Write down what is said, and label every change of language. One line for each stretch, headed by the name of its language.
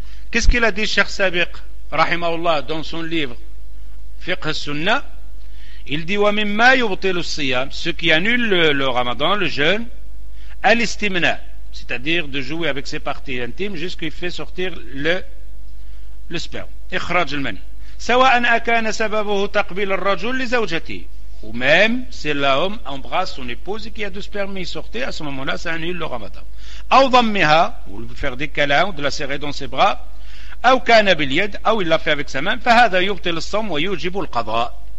French: Qu'est-ce qu'il a dit Cheikh Sabiq rahimahullah dans son livre Fiqh Sunna il dit
Arabic: وَمِمَّا يُبْطِلُ الصِّيَامِ
French: ce qui annule le ramadan le jeûne الاستمناء c'est-à-dire de jouer avec ses parties intimes jusqu'à ce qu'il fait sortir le sperme.
Arabic: إخراج المني. سواء أكان سببه تقبيل الرجل لزوجته.
French: Ou même si l'homme embrasse son épouse qui a du sperme et sorti, à ce moment-là, ça annule le ramadan.
Arabic: أو ضمها,
French: ou lui faire des câlins, ou de la serrer dans ses bras.
Arabic: أو كان باليد,
French: ou il l'a fait avec sa main.
Arabic: فهذا يبطل الصوم ويوجب القضاء.